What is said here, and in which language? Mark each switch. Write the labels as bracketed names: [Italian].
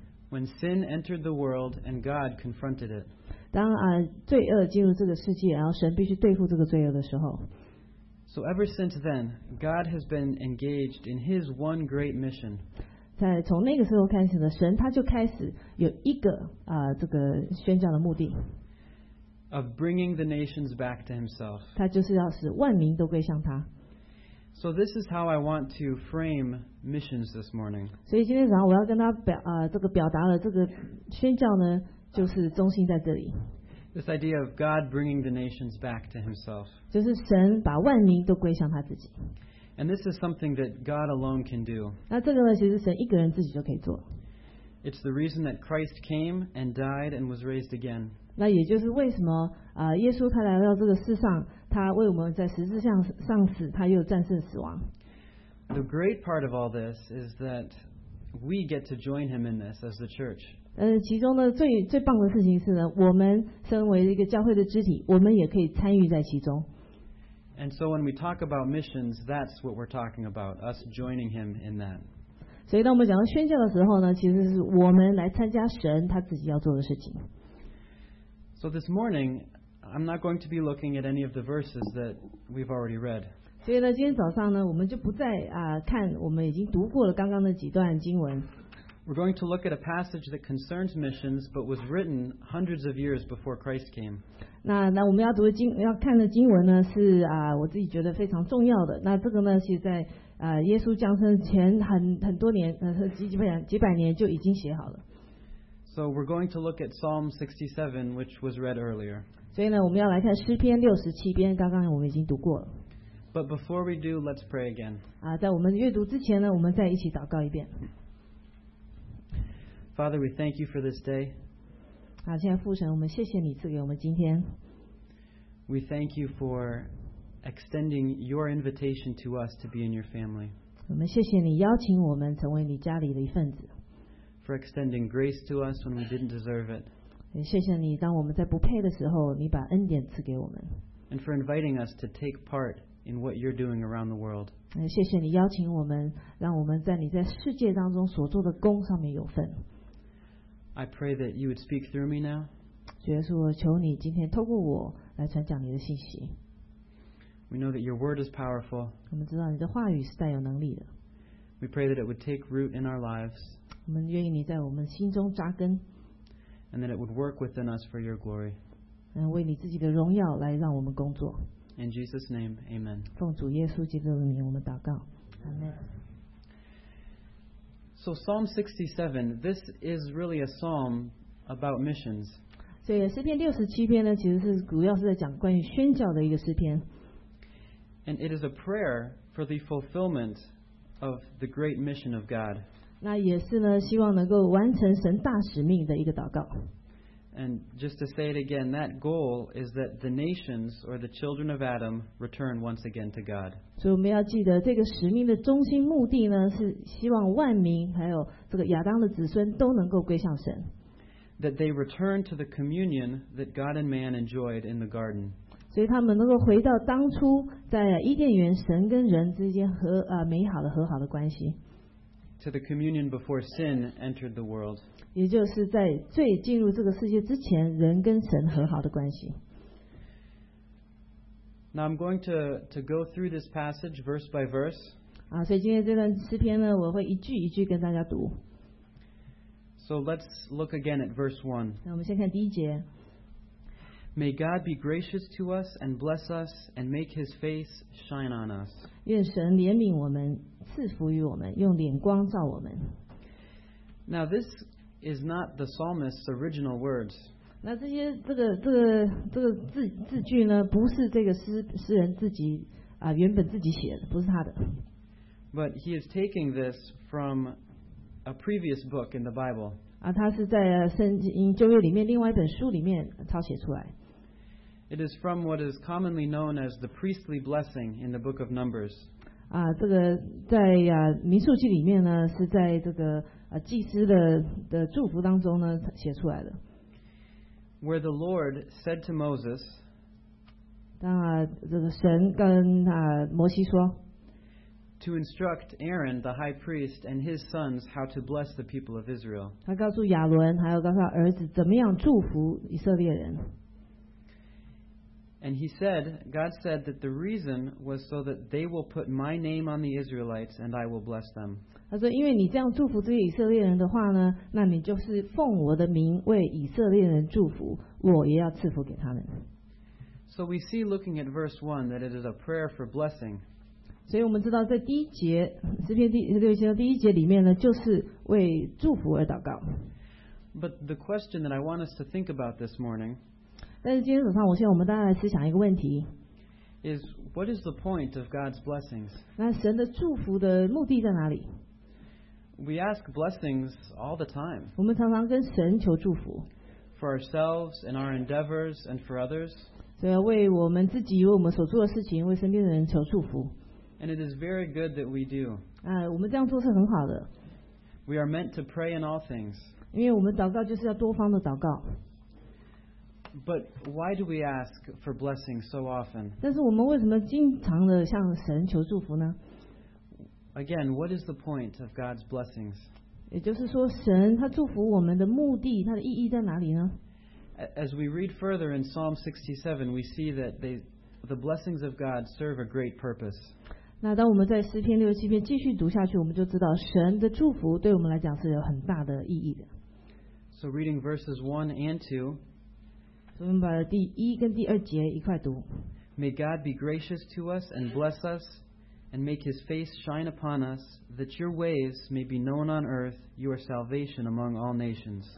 [English] When sin entered the world and God confronted it. [Chinese] 当罪恶进入这个世界，然后神必须对付这个罪恶的时候。 [English] So ever since then, God has been engaged in His one great mission. [Chinese] 在从那个时候开始呢，神他就开始有一个这个宣教的目的。 [English] Of bringing the nations back to Himself. [Chinese] 他就是要使万民都归向他。 [English] So this is how I want to frame missions this morning. [Chinese] 所以今天早上我要跟他表达了这个宣教呢。就是中心在这里。 [English] This idea of God bringing the nations back to Himself. [Chinese] 就是神把万民都归向他自己。 [English] And this is something that God alone can do. [Chinese] 那这个呢，其实神一个人自己就可以做。 [English] It's the reason that Christ came and died and was raised again. [Chinese] 那也就是为什么耶稣他来到这个世上，他为我们在十字架上死，他又战胜死亡。 [English] The great part of all this is that we get to join Him in this as the church. [Chinese] 其中呢最棒的事情是呢，我们身为一个教会的肢体，我们也可以参与在其中。 [English] And so when we talk about missions, that's what we're talking about, us joining Him in that. [Chinese] 所以当我们讲到宣教的时候呢，其实是我们来参加神他自己要做的事情。 [English] So this morning, I'm not going to be looking at any of the verses that we've already read. [Chinese] 所以呢，今天早上呢，我们就不再看我们已经读过了刚刚的几段经文。 [English] We're going to look at a passage that concerns missions, but was written hundreds of years before Christ came. [Chinese] 那我们要读的经要看的经文呢是我自己觉得非常重要的。那这个呢是在耶稣降生前很多年几百年就已经写好了。 [English] So we're going to look at Psalm 67, which was read earlier. [Chinese] 所以呢我们要来看诗篇六十七篇，刚刚我们已经读过了。 [English] But before we do, let's pray again. [Chinese] 在我们阅读之前呢，我们再一起祷告一遍。 [English] Father, we thank you for this day. [Chinese] 亲爱父神，我们谢谢你赐给我们今天。 [English] We thank you for extending your invitation to us to be in your family. [Chinese] 我们谢谢你邀请我们成为你家里的一份子。 [English] For extending grace to us when we didn't deserve it. [Chinese] 也谢谢你，当我们在不配的时候，你把恩典赐给我们。 [English] And for inviting us to take part in what you're doing around the world. [Chinese] 谢谢你邀请我们，让我们在你在世界当中所做的工上面有份。 [English] I pray that you would speak through me now. [Chinese] 主耶稣，我求你今天透过我来传讲你的信息。 [English] We know that your word is powerful. [Chinese] 我们知道你的话语是带有能力的。 [English] We pray that it would take root in our lives. [Chinese] 我们愿意你在我们心中扎根。 [English] And that it would work within us for your glory. [Chinese] 嗯，为你自己的荣耀来让我们工作。 [English] In Jesus' name, Amen. [Chinese] 奉主耶稣基督的名，我们祷告。 [English] Amen. So Psalm 67, this is really a psalm about missions. [Chinese] 所以诗篇六十七篇呢，其实是主要是在讲关于宣教的一个诗篇。 [English] And it is a prayer for the fulfillment of the great mission of God. [Chinese] 那也是呢，希望能够完成神大使命的一个祷告。 [English] And just to say it again, that goal is that the nations or the children of Adam return once again to God. [Chinese] 所以我们要记得这个使命的中心目的呢，是希望万民还有这个亚当的子孙都能够归向神。 [English] That they return to the communion that God and man enjoyed in the garden. [Chinese] 所以他们能够回到当初在伊甸园神跟人之间和美好的和好的关系。 [English] To the communion before sin entered the world. [Chinese] 也就是在罪进入这个世界之前，人跟神和好的关系。 [English] Now I'm going to go through this passage verse by verse. [Chinese] 啊，所以今天这段诗篇呢，我会一句一句跟大家读。 [English] So let's look again at verse 1. [Chinese] 那我们先看第一节。 [English] May God be gracious to us and bless us and make His face shine on us. [Chinese] 愿神怜悯我们，赐福于我们，用脸光照我们。 [English] Now this is not the psalmist's original words. [Chinese] 那这些这个字句呢，不是这个诗人自己原本自己写的，不是他的。 [English] But he is taking this from a previous book in the Bible. [Chinese] 啊，他是在圣经旧约里面另外一本书里面抄写出来。 [English] It is from what is commonly known as the priestly blessing in the book of Numbers. [Chinese] 啊，这个在民数记里面呢，是在这个祭司的祝福当中呢写出来的。 [English] Where the Lord said to Moses. [Chinese] 当这个神跟摩西说。 [English] To instruct Aaron the high priest and his sons how to bless the people of Israel. [Chinese] 他告诉亚伦还有告诉他儿子怎么样祝福以色列人。 [English] And he said, God said that the reason was so that they will put my name on the Israelites and I will bless them. [Chinese] 他说因为你这样祝福这些以色列人的话呢，那你就是奉我的名为以色列人祝福，我也要赐福给他们。 [English] So we see looking at verse 1 that it is a prayer for blessing. [Chinese] 所以我们知道在第一节，诗篇第六节第一节里面呢，就是为祝福而祷告。 [English] But the question that I want us to think about this morning [Chinese] 但是今天早上，我希望我们大家来思想一个问题 [English] ：Is what is the point of God's blessings？ [Chinese] 那神的祝福的目的在哪里 [English] ？We ask blessings all the time。 [Chinese] 我们常常跟神求祝福 [English] ，for ourselves and our endeavors and for others。 [Chinese] 所以要为我们自己、为我们所做的事情、为身边的人求祝福。 [English] And it is very good that we do。 [Chinese] 我们这样做是很好的。 [English] We are meant to pray in all things。 [Chinese] 因为我们祷告就是要多方的祷告。 [English] But why do we ask for blessings so often? [Chinese] 但是我们为什么经常的向神求祝福呢？ [English] Again, what is the point of God's blessings? [Chinese] 也就是说，神他祝福我们的目的，他的意义在哪里呢？ [English] As we read further in Psalm 67, we see that the blessings of God serve a great purpose. [Chinese] 那当我们在诗篇六七篇继续读下去，我们就知道神的祝福对我们来讲是有很大的意义的。 [English] So reading verses 1 and 2. [Chinese] 所以我们把第一跟第二节一块读。 [English] May God be gracious to us and bless us, and make His face shine upon us, that Your ways may be known on earth, Your salvation among all nations.